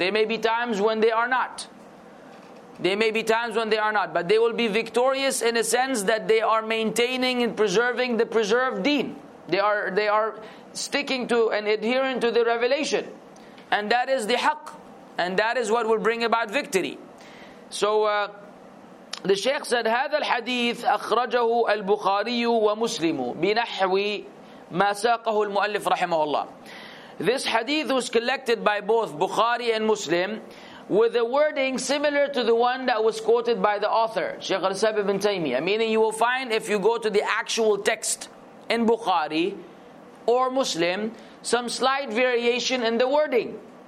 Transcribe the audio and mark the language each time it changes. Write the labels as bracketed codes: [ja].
[en] There may be times when they are not. There may be times when they are not. But they will be victorious in a sense that they are maintaining and preserving the preserved deen. They are sticking to and adhering to the revelation. And that is the haqq. And that is what will bring about victory. So, the Shaykh said, [ar] هذا الحديث أخرجه البخاري ومسلم بنحو ما ساقه المؤلف رحمه الله. [en] This hadith was collected by both Bukhari and Muslim with a wording similar to the one that was quoted by the author, Shaykh Al-Sabi Ibn Taymiyyah. Meaning you will find, if you go to the actual text in Bukhari or Muslim, some slight variation in the wording.